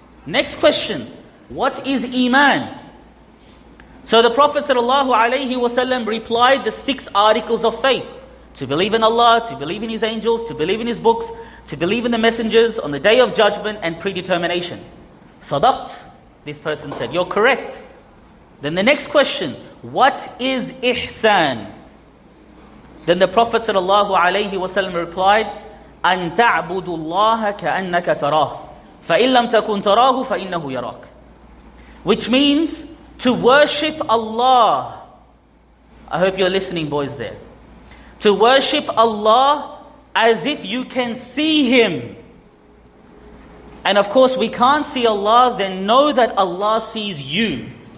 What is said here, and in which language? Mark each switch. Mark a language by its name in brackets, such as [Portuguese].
[English] Next question, what is Iman? So the Prophet sallallahu alayhi wasallam replied, the six articles of faith: to believe in Allah, to believe in His angels, to believe in His books, to believe in the messengers, on the day of judgment, and predetermination. Sadaqt, this person said, you're correct. Then the next question, what is Ihsan? Then the Prophet sallallahu alayhi wasallam replied, [Arabic] أن تعبد الله كأنك تراه فإن لم تكن تراه فإنه يراك. [English] Which means, to worship Allah. I hope you're listening, boys, there. To worship Allah as if you can see Him. And of course, we can't see Allah, then know that Allah sees you.